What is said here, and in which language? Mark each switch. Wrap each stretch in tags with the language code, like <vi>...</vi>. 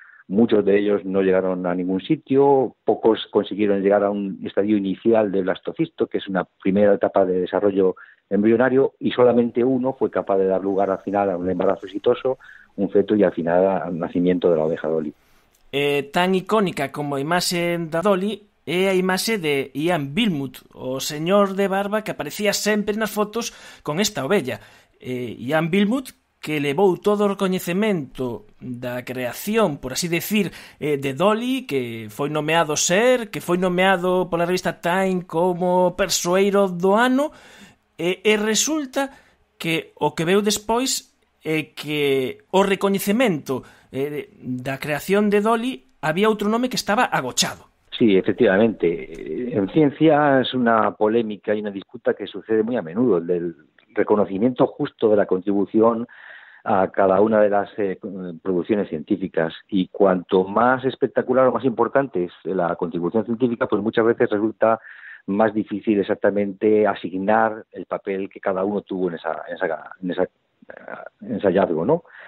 <es>muchos de ellos no llegaron a ningún sitio, pocos consiguieron llegar a un estadio inicial del blastocisto, que es una primera etapa de desarrollo embrionario, y solamente uno fue capaz de dar lugar al final a un embarazo exitoso, un feto, y al final al nacimiento de la oveja Dolly.</es> <gl>Tan icónica como la imaxe de Dolly é a imaxe de Ian Bilmut, o señor de barba que aparecía sempre nas fotos con esta ovella. Ian Bilmut, que levou todo o recoñecemento da creación, por así decir, de Dolly, que foi nomeado Ser, que foi nomeado pola revista Time como persoeiro do ano, e resulta que o que veu despois é que o recoñecemento da creación de Dolly había outro nome que estaba agochado.</gl> <es>Sí, efectivamente. En ciencia es una polémica y una disputa que sucede muy a menudo, el del reconocimiento justo de la contribución a cada una de las producciones científicas. Y cuanto más espectacular o más importante es la contribución científica, pues muchas veces resulta más difícil exactamente asignar el papel que cada uno tuvo en ese hallazgo, ¿no?</es>